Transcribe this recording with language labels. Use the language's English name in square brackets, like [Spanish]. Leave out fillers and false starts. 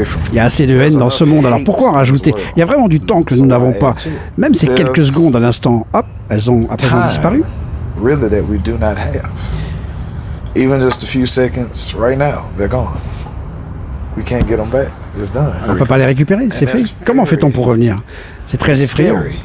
[French] Il y a assez de haine dans ce monde, alors pourquoi en rajouter? Il y a vraiment du temps que nous n'avons pas. Même ces quelques secondes à l'instant, hop, elles ont à présent disparu. [English] Really, that we do not have. Even just a few seconds right now, they're gone. We can't get them back. It's done. [French] On peut pas les récupérer. C'est fait. Comment fait-on pour revenir? C'est très effrayant.